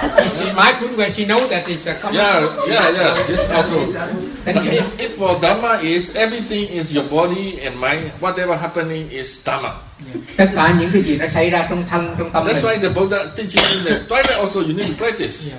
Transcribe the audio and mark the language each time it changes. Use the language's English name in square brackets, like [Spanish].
[English] She might when she knows that it's a coming. Yeah. If for Dhamma is everything is your body and mind, whatever happening is Dhamma. [Vietnamese] Tất cả những cái gì nó xảy ra trong thân, trong tâm. [English] That's why the Buddha teaching is that twilight also you need to practice.